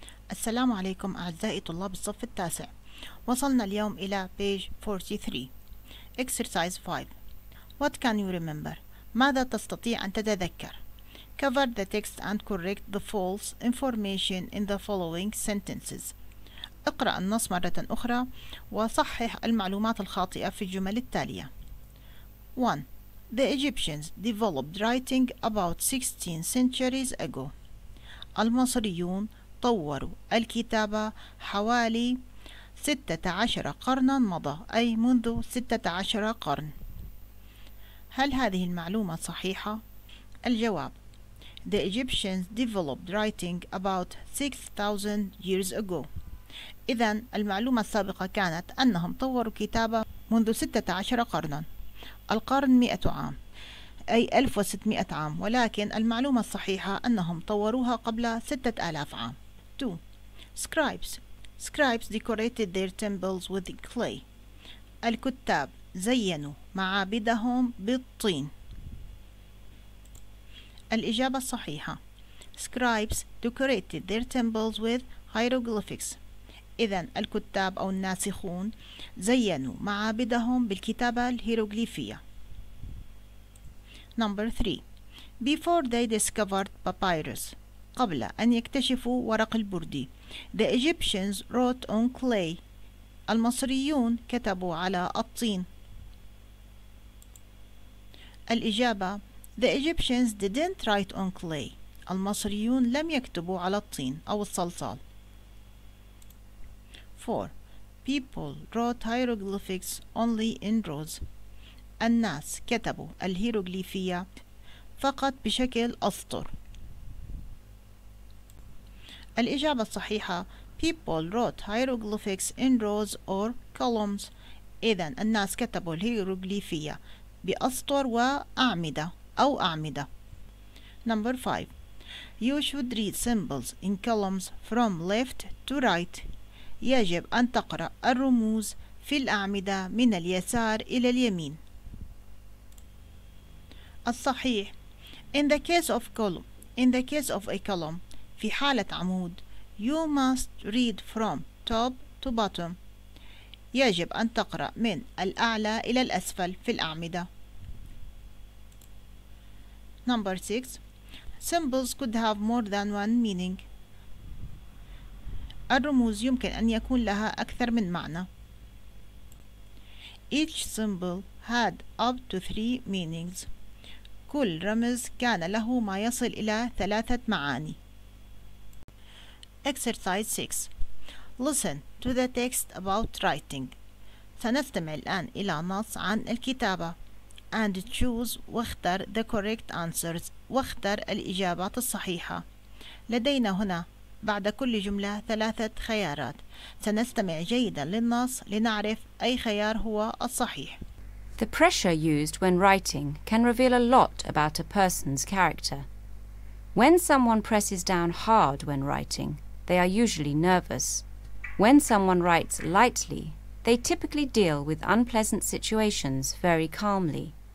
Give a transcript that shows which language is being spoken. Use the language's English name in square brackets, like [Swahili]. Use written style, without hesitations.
[Arabic] السلام عليكم أعزائي طلاب الصف التاسع. وصلنا اليوم إلى [English] page 43. Exercise 5. What can you remember? [Arabic] ماذا تستطيع أن تتذكر؟ [English] Cover the text and correct the false information in the following sentences. [Arabic] اقرأ النص مرة أخرى وصحح المعلومات الخاطئة في الجمل التالية. 1. [English] The Egyptians developed writing about 16 centuries ago. [Arabic] المصريون طوروا الكتابة حوالي 16 قرنا مضى، أي منذ 16 قرن. هل هذه المعلومة صحيحة؟ الجواب: [English] The Egyptians developed writing about 6000 years ago. [Arabic] إذن المعلومة السابقة كانت أنهم طوروا كتابة منذ 16 قرنا، القرن 100 عام، أي 1600 عام، ولكن المعلومة الصحيحة أنهم طوروها قبل 6000 عام. 2. [English] Scribes decorated their temples with clay. [Arabic] الكتاب زينوا معابدهم بالطين. الإجابة الصحيحة: [English] Scribes decorated their temples with hieroglyphics. [Arabic] إذن الكتاب أو الناسخون زينوا معابدهم بالكتابة الهيروغليفية. [English] Number 3. Before they discovered papyrus. [Arabic] قبل أن يكتشفوا ورق البردي. [English] The Egyptians wrote on clay. [Arabic] المصريون كتبوا على الطين. الإجابة: [English] The Egyptians didn't write on clay. [Arabic] المصريون لم يكتبوا على الطين أو الصلصال. 4. [English] People wrote hieroglyphics only in rows. [Arabic] الناس كتبوا الهيروغليفية فقط بشكل أسطر. الإجابة الصحيحة: [English] People wrote hieroglyphics in rows or columns. [Arabic] إذن الناس كتبوا الهيروغليفية بأسطر وأعمدة أو أعمدة. [English] Number 5. You should read symbols in columns from left to right. [Arabic] يجب أن تقرأ الرموز في الأعمدة من اليسار إلى اليمين. الصحيح: [English] In the case of a column, [Arabic] في حالة عمود, [English] you must read from top to bottom. [Arabic] يجب أن تقرأ من الأعلى إلى الأسفل في الأعمدة. [English] Number 6. Symbols could have more than one meaning. [Arabic] الرموز يمكن أن يكون لها أكثر من معنى. [English] Each symbol had up to three meanings. [Arabic] كل رمز كان له ما يصل إلى ثلاثة معاني. [English] Exercise 6. Listen to the text about writing. [Arabic] سنستمع الآن إلى نص عن الكتابة. [English] And choose [Arabic] واختر [English] the correct answers. [Arabic] واختر الإجابات الصحيحة. لدينا هنا بعد كل جملة ثلاثة خيارات. سنستمع جيدا للنص لنعرف أي خيار هو الصحيح. [English] The pressure used when writing can reveal a lot about a person's character. When someone presses down hard when writing, they are usually nervous. When someone writes lightly, they typically deal with unpleasant situations very calmly.